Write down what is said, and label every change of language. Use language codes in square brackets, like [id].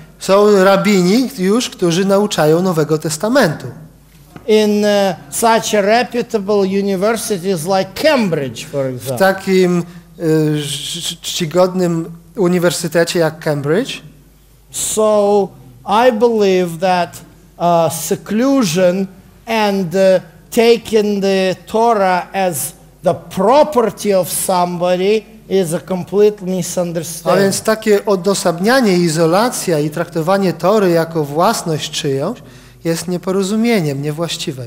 [pl] Są rabini już, którzy nauczają Nowego Testamentu. [en] In such a reputable universities like Cambridge, for example. [pl] W takim czcigodnym uniwersytecie jak Cambridge. [en] So I believe that seclusion and taking the Torah as the property of somebody is a complete misunderstanding. [pl] A więc takie odosobnianie, izolacja i traktowanie Tory jako własność czyjąś jest nieporozumieniem, niewłaściwe.